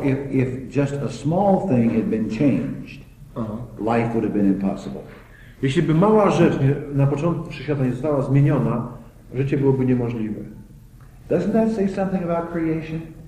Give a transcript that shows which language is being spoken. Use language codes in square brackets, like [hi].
[en] If just a small thing had been changed, life would have been impossible. [pl] Jeśli by mała rzecz na początku wszechświata nie została zmieniona, życie byłoby niemożliwe. [en] Doesn't that say something about creation?